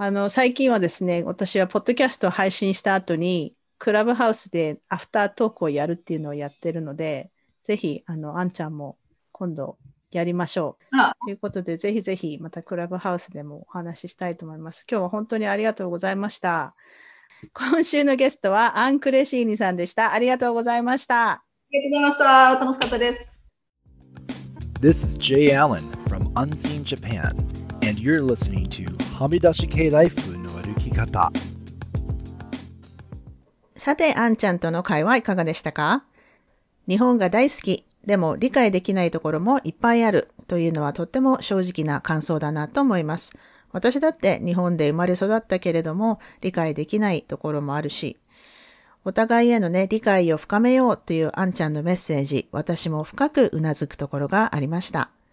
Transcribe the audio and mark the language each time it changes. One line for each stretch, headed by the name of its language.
Japanese: 最近はですね、私はポッドキャストを配信した後に、クラブハウスでアフタートークをやるっていうのをやってるので、ぜひ、あんちゃんも今度やりましょう。ということで、ぜひぜひまたクラブハウスでもお話ししたいと思います。今日は本当にありがとうございました。今週のゲストはアン・クレシーニさんでした。ありがとうございました。ありがとうございました。楽しかったです。
English: This is Jay Allen from Unseen Japan, and you're listening to はみ出し系ライフの歩き方。
Japanese: さて、あんちゃんとの会話いかがでしたか？日本が大好き、でも理解できないところもいっぱいあるというのはとっても正直な感想だなと思います。私だって日本で生まれ育ったけれども理解できないところもあるし、お互いへのね、理解を深めようというあんちゃんのメッセージ、私も深くうなずくところがありました。